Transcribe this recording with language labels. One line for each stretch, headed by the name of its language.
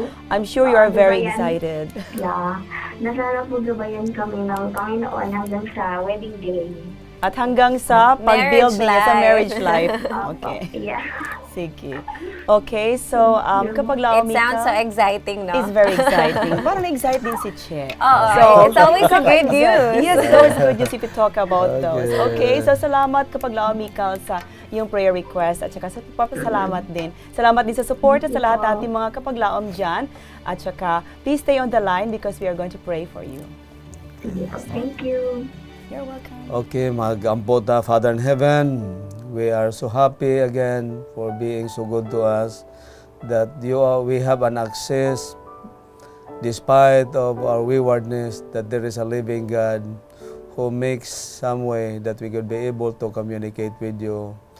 English: I'm sure you are very excited. Yeah.
Filipino: Nasana po gabayan kami ng Panginoon hanggang sa wedding day. At hanggang sa pag-build niya sa marriage life. Okay.
English: Yeah.
Filipino: Sige. Okay, so kapag Laomita...
English: It sounds so exciting, no? It's very exciting. Parang exciting si Che. So, it's always good news. Yes, always good news if you talk about those.
Filipino: Okay, so salamat kapag Laomita sa... yung prayer request at saka sa papasalamat din. Salamat din sa support at sa lahat ating mga kapaglaom dyan.
English: At saka, please stay on the line because we are going to pray for you. Thank you. You're welcome. Okay, mag-ambota, Father in Heaven, we are so happy again for being so good to us that you are, we have an access despite of our waywardness that there is a living God who makes some way that we could be able to communicate with you.